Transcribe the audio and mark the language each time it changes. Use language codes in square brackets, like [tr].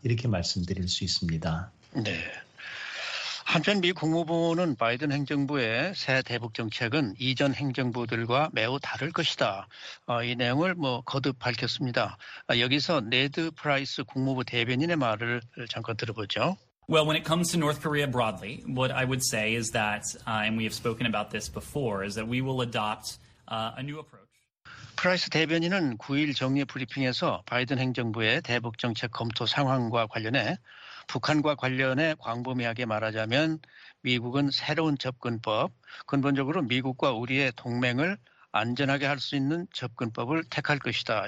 [ko] 이렇게 말씀드릴 수 있습니다. 네. 한편 미 국무부는 바이든 행정부의 새 대북 정책은 이전 행정부들과 매우 다를 것이다. 이 내용을 뭐 거듭 밝혔습니다. 여기서 네드 프라이스 국무부 대변인의 말을 잠깐 들어보죠. [en] Well, when it comes to North Korea broadly, what I would say is that, and we have spoken about this before, is that we will adopt, a new approach. [ko] 프라이스 대변인은 9일 정례 브리핑에서 바이든 행정부의 대북 정책 검토 상황과 관련해 북한과 관련해 광범위하게 말하자면 미국은 새로운 접근법, 근본적으로 미국과 우리의 동맹을 안전하게 할수 있는 접근법을 택할 것이다.